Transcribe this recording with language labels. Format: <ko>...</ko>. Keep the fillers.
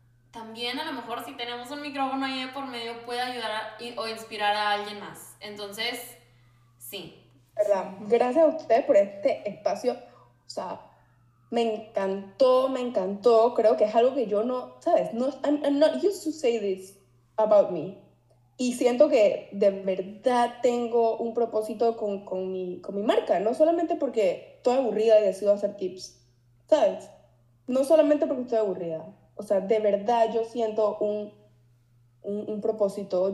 <es>También a lo mejor si tenemos un micrófono ahí de por medio puede ayudar a- y- o inspirar a alguien más. Entonces, sí. verdad, gracias a ustedes por este espacio. O sea, me encantó, me encantó. Creo que es algo que yo no, ¿sabes?</es> <en>No, I'm, I'm not used to say this about me.</en> <es>Y siento que de verdad tengo un propósito con, con, mi, con mi marca. No solamente porque estoy aburrida y decido hacer tips, ¿sabes? No solamente porque estoy aburrida. O sea, de verdad yo siento un, un, un propósito.</es>